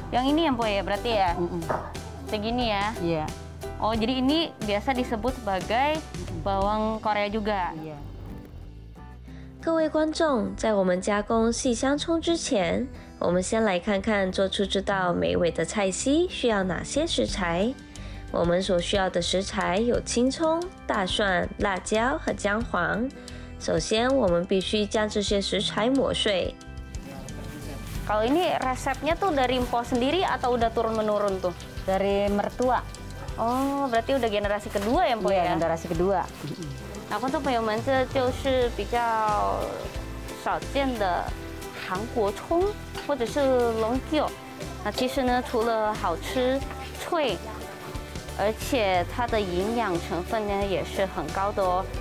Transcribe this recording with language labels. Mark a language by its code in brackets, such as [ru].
[id] Yang ini ya, Bo ya, berarti ya. Segini ya. Iya. Yeah. Oh, jadi ini biasa disebut sebagai bawang Korea juga. Iya. [zh] 各位观众，在我们加工细香葱之前，我们先来看看做出这道美味的菜系需要哪些食材。我们所需要的食材有青葱、大蒜、辣椒和姜黄。首先，我们必须将这些食材磨碎。 [id] Kalau ini resepnya tuh dari Mpo sendiri atau udah turun menurun tuh? Dari mertua. Oh, berarti udah generasi kedua ya, Mpo ya? Iya, generasi kedua. [zh] 那观众朋友们，这就是比较少见的韩国葱或者是龙角。那其实呢，除了好吃脆，而且它的营养成分呢也是很高的哦。